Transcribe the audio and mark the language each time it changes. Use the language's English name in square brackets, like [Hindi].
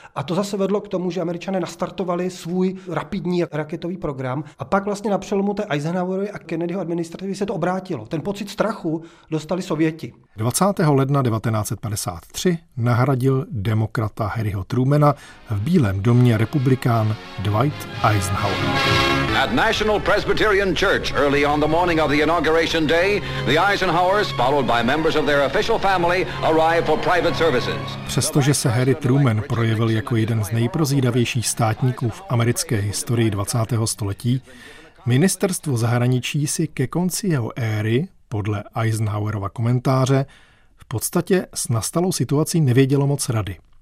[Czech] A to zase vedlo k tomu, že Američané nastartovali svůj rapidní raketový program. A pak vlastně na přelomu té Eisenhowerovy a Kennedyho administrativy se to obrátilo. Ten pocit strachu dostali Sověti. 20. ledna 1953 nahradil demokrata Harryho Trumana v Bílém domě republikán Dwight Eisenhower. [English] At National Presbyterian Church, early on the morning of the inauguration day, the Eisenhowers, followed by members of their official family, arrived for private services. [Czech] Přestože se Harry Truman projevil jako jeden z nejprozíravějších státníků v americké historii 20. století, ministerstvo zahraničí si ke konci jeho éry, podle Eisenhowerova komentáře, v podstatě s nastalou situací nevědělo moc rady.